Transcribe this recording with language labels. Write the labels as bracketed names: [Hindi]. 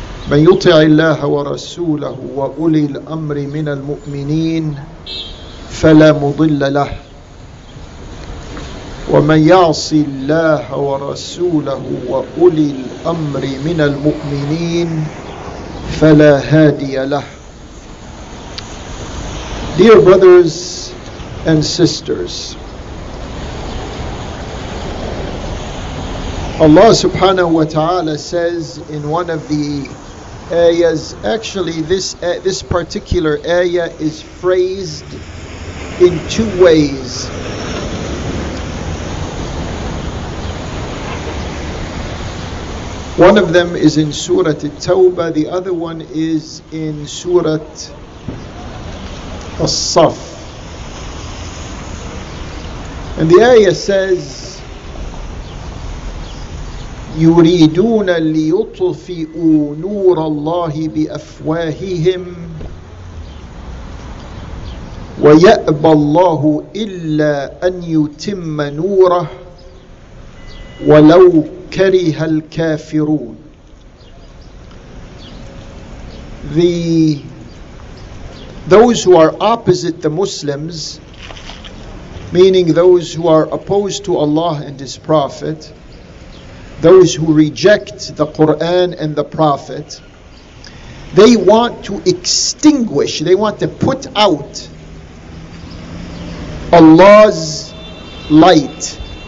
[Arabic] من يطع الله ورسوله وأولي الأمر من المؤمنين فلا مضل له ومن يعص الله ورسوله وأولي الأمر من المؤمنين فلا هادي له. [English] Dear brothers and sisters, Allah subhanahu wa ta'ala says in one of the ayahs, actually this particular ayah is phrased in two ways. One of them is in Surah At-Tawbah, the other one is in Surah As-Saff. And the ayah says, [Arabic] يريدون ليطفئوا نور الله بأفواههم ويأبى الله إلا أن يتم نوره ولو كره الكافرون. [English] Those who are opposite the Muslims, meaning those who are opposed to Allah and His Prophet, those who reject the Quran and the Prophet, they want to extinguish, they want to put out Allah's light.